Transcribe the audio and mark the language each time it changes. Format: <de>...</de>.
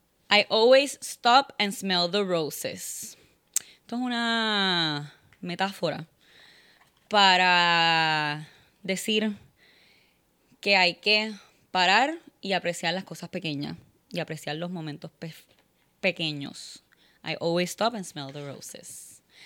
<en>I always stop and smell the roses.</en> <es>Esto es una metáfora para decir que hay que parar y apreciar las cosas pequeñas y apreciar los momentos pequeños.</es> <en>I always stop and smell the roses.</en>